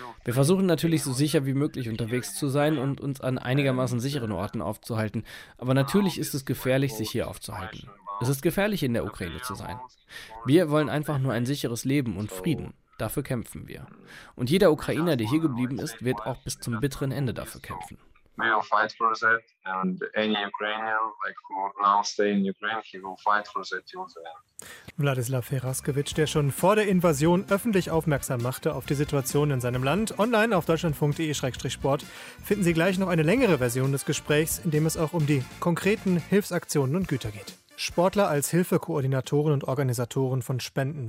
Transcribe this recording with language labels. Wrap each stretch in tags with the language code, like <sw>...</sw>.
<de>Wir versuchen natürlich so sicher wie möglich unterwegs zu sein und uns an einigermaßen sicheren Orten aufzuhalten. Aber natürlich ist es gefährlich, sich hier aufzuhalten. Es ist gefährlich, in der Ukraine zu sein. Wir wollen einfach nur ein sicheres Leben und Frieden. Dafür kämpfen wir. Und jeder Ukrainer, der hier geblieben ist, wird auch bis zum bitteren Ende dafür kämpfen.</de> <en>We will fight for that, and any Ukrainian, like who now stay in Ukraine, he will fight for that till the end.</en> <de>Wladislav Heraskewitsch, der schon vor der Invasion öffentlich aufmerksam machte auf die Situation in seinem Land. Online auf deutschlandfunk.de/sport finden Sie gleich noch eine längere Version des Gesprächs, in dem es auch um die konkreten Hilfsaktionen und Güter geht. Sportler als Hilfekoordinatoren und Organisatoren von Spenden.</de>